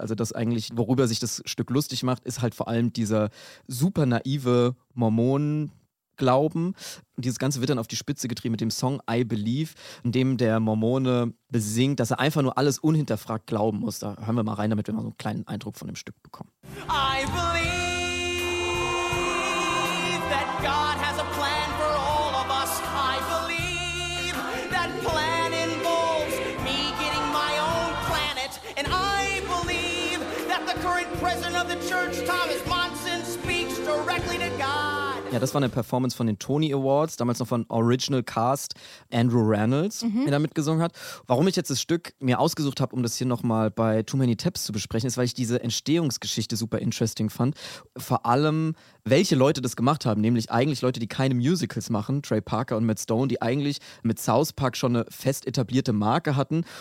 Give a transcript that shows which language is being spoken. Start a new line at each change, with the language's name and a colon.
German: Also das eigentlich, worüber sich das Stück lustig macht, ist halt vor allem dieser super naive Mormonen-Glauben. Und dieses Ganze wird dann auf die Spitze getrieben mit dem Song I Believe, in dem der Mormone besingt, dass er einfach nur alles unhinterfragt glauben muss. Da hören wir mal rein, damit wir mal so einen kleinen Eindruck von dem Stück bekommen.
English: I believe that God has a plan for all of us. I believe that plan involves me getting my own planet. And I believe that the current president of the church, Thomas Monson, speaks directly to God.
German: Ja, das war eine Performance von den Tony Awards, damals noch von Original Cast Andrew Rannells, der da mitgesungen hat. Warum ich jetzt das Stück mir ausgesucht habe, um das hier nochmal bei Too Many Taps zu besprechen, ist, weil ich diese Entstehungsgeschichte super interesting fand. Vor allem, welche Leute das gemacht haben, nämlich eigentlich Leute, die keine Musicals machen, Trey Parker und Matt Stone, die eigentlich mit South Park schon eine fest etablierte Marke hatten.